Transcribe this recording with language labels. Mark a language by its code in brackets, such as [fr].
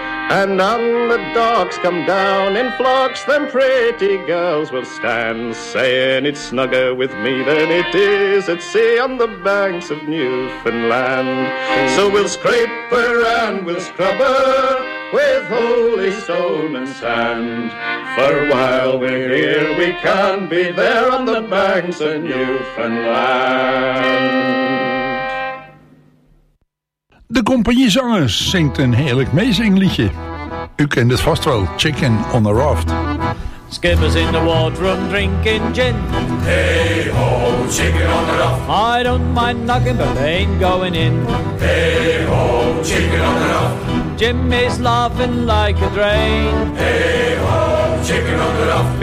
[en] And on the docks come down in flocks, them pretty girls will stand, saying it's snugger with me than it is at sea on the banks of Newfoundland. So we'll scrape her and we'll scrub her with holy stone and sand. For while we're here, we can be there on the banks of Newfoundland. [nl] De Compagnie Zangers zingt een heerlijk meezingliedje. U kent het vast wel, Chicken on a Raft. [en] Skipper's in the wardroom drinking gin. Hey ho, chicken on the raft. I don't mind knocking, but they ain't going in. Hey ho, chicken on the raft. Jimmy's laughing like a drain. Hey ho, chicken on the raft.